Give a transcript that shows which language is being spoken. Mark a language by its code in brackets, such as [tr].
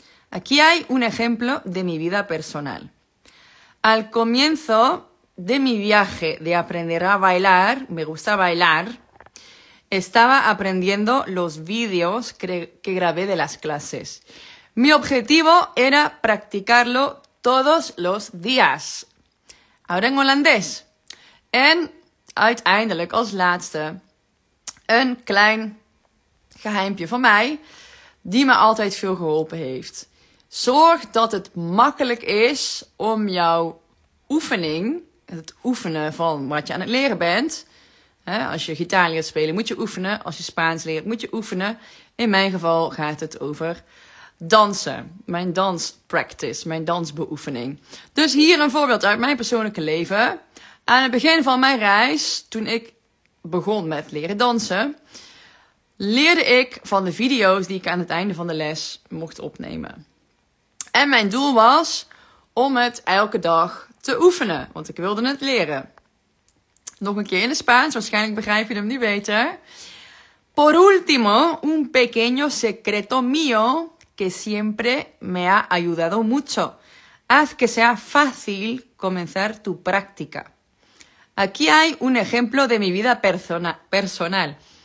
[es] Aquí hay un ejemplo de mi vida personal. Al comienzo de mi viaje de aprender a bailar, me gusta bailar, estaba aprendiendo los vídeos que grabé de las clases. Mi objetivo era practicarlo todos los días. Ahora en holandés. [nl] En uiteindelijk als laatste een klein geheimpje van mij die me altijd veel geholpen heeft. Zorg dat het makkelijk is om jouw oefening, het oefenen van wat je aan het leren bent. Als je gitaar leert spelen moet je oefenen. Als je Spaans leert moet je oefenen. In mijn geval gaat het over dansen. Mijn danspractice, mijn dansbeoefening. Dus hier een voorbeeld uit mijn persoonlijke leven. Aan het begin van mijn reis, toen ik begon met leren dansen, leerde ik van de video's die ik aan het einde van de les mocht opnemen. En mijn doel was om het elke dag te oefenen, want ik wilde het leren. Nog een keer in het Spaans, waarschijnlijk begrijp je hem nu beter. [es] Por último, un pequeño secreto mío que siempre me ha ayudado mucho. Haz que sea fácil comenzar tu práctica. Aquí hay un ejemplo de mi vida personal.